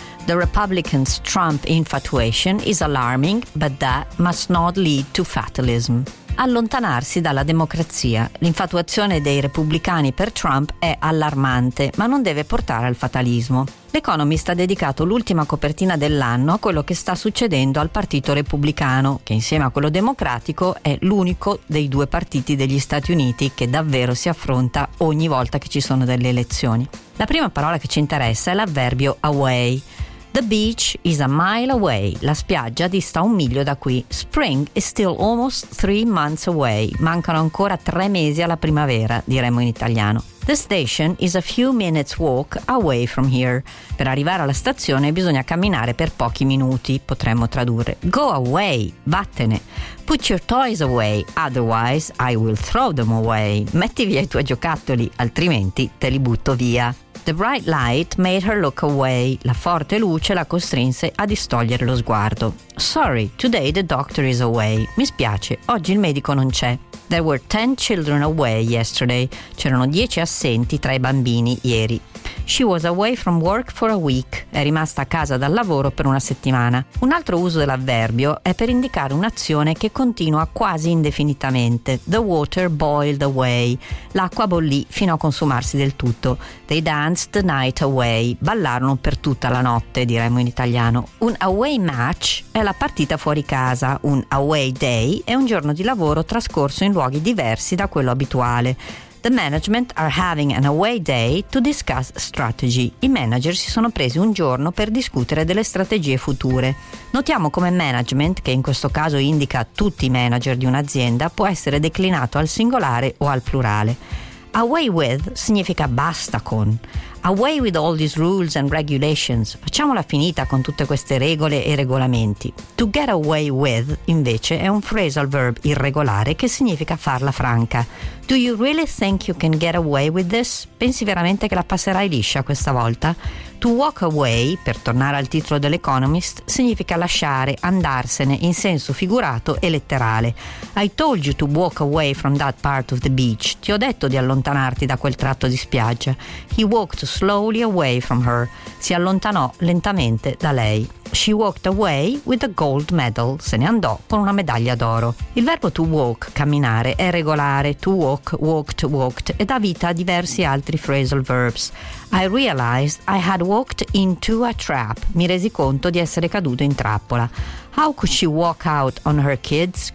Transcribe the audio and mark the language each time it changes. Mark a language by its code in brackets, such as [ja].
[en] The Republicans' Trump infatuation is alarming, but that must not lead to fatalism. [it] Allontanarsi dalla democrazia. L'infatuazione dei repubblicani per Trump è allarmante, ma non deve portare al fatalismo. L'Economist ha dedicato l'ultima copertina dell'anno a quello che sta succedendo al Partito Repubblicano, che insieme a quello democratico è l'unico dei due partiti degli Stati Uniti che davvero si affronta ogni volta che ci sono delle elezioni. La prima parola che ci interessa è l'avverbio away. [en] The beach is a mile away. [it] La spiaggia dista un miglio da qui. [en] Spring is still almost 3 months away. [it] Mancano ancora 3 mesi alla primavera, diremmo in italiano. [en] The station is a few minutes walk away from here. [it] Per arrivare alla stazione bisogna camminare per pochi minuti, potremmo tradurre. [en] Go away, vattene. Put your toys away, otherwise I will throw them away. [it] Metti via i tuoi giocattoli, altrimenti te li butto via. [en] The bright light made her look away. [it] La forte luce la costrinse a distogliere lo sguardo. [en] Sorry, today the doctor is away. [it] Mi spiace, oggi il medico non c'è. [en] There were 10 children away yesterday. [it] C'erano 10 assenti tra i bambini ieri. [en] She was away from work for a week. [it] È rimasta a casa dal lavoro per una settimana. Un altro uso dell'avverbio è per indicare un'azione che continua quasi indefinitamente. [en] The water boiled away. [it] L'acqua bollì fino a consumarsi del tutto. [en] They danced the night away. [it] Ballarono per tutta la notte, diremmo in italiano. Un away match è la partita fuori casa. Un away day è un giorno di lavoro trascorso in luoghi diversi da quello abituale. [en] The management are having an away day to discuss strategy. [it] I manager si sono presi un giorno per discutere delle strategie future. Notiamo come management, che in questo caso indica tutti i manager di un'azienda, può essere declinato al singolare o al plurale. [en] Away with significa basta con. Away with all these rules and regulations. [it] Facciamola finita con tutte queste regole e regolamenti. To get away with, invece, è un phrasal verb irregolare che significa farla franca. [en] Do you really think you can get away with this? [it] Pensi veramente che la passerai liscia questa volta? To walk away, per tornare al titolo dell'Economist, significa lasciare, andarsene, in senso figurato e letterale. [en] I told you to walk away from that part of the beach. [it] Ti ho detto di allontanarti da quel tratto di spiaggia. [en] He walked slowly away from her. [it] Si allontanò lentamente da lei. [en] She walked away with a gold medal. [it] Se ne andò con una medaglia d'oro. Il verbo to walk, camminare, è regolare. To walk, walked, walked, e dà vita a diversi altri phrasal verbs. [en] I realized I had walked into a trap. [it] Mi resi conto di essere caduto in trappola. [en] How could she walk out on her kids?